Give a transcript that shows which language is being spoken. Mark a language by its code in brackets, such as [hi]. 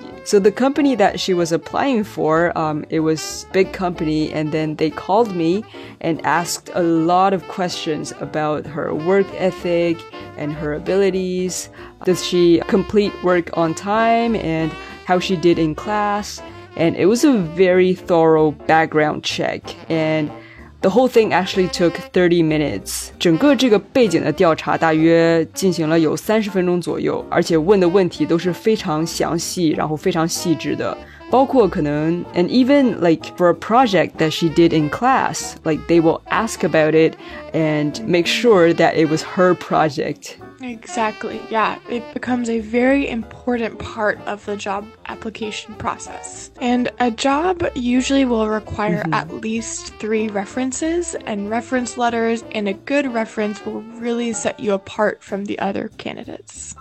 [en] So the company that she was applying for, it was big company, and then they called me and asked a lot of questions about her work ethic and her abilities. Does she complete work on time and how she did in class? And it was a very thorough background check. And the whole thing actually took 30 minutes. [zh] 整个这个背景的调查大约进行了有30分钟左右，而且问的问题都是非常详细，然后非常细致的。包括可能 [en] and even like for a project that she did in class, like they will ask about it and make sure that it was her project. Exactly, yeah. It becomes a very important part of the job application process. And a job usually will require at least 3 references, and reference letters and a good reference will really set you apart from the other candidates.